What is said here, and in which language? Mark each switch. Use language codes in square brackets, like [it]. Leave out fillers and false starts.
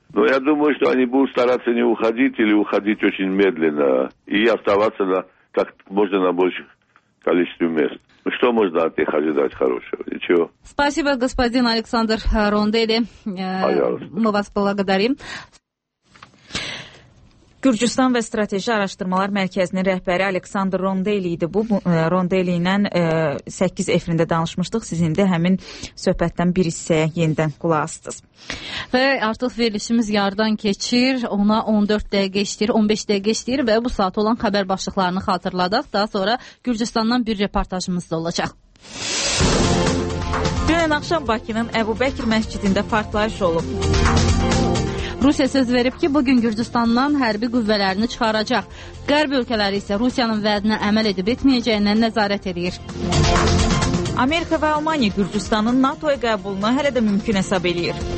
[ru] Но я думаю, что они будут стараться не уходить или уходить очень медленно и оставаться на как можно на больших количестве мест. Ну что можно от них ожидать хорошего? Ничего. Спасибо, господин Александр Рондели. Пожалуйста. Мы вас благодарим. [az] Gürcüstan və Strateji Araşdırmalar Mərkəzinin rəhbəri Aleksandr Rondeli idi. Bu Rondeli ilə 8 efrində danışmışdıq. Siz indi həmin söhbətdən bir hissəyə yenidən qulaq asdınız. Və artıq verilişimiz yardan keçir. Ona 14 dəqiqə işləyir, 15 dəqiqə işləyir və bu saat olan xəbər başlıqlarını xatırladaq. Daha sonra Gürcüstandan bir reportajımız da olacaq. Dünən axşam Bakının Əbu Bəkir məscidində partlayış olub. Rusiya söz verib ki, bugün Gürcüstandan hərbi qüvvələrini çıxaracaq. Qərb ölkələri isə Rusiyanın vədinə əməl edib etməyəcəyindən nəzarət edir. Amerika və Almanya Gürcüstanın NATO-ya qəbulunu hələ də mümkün hesab edir.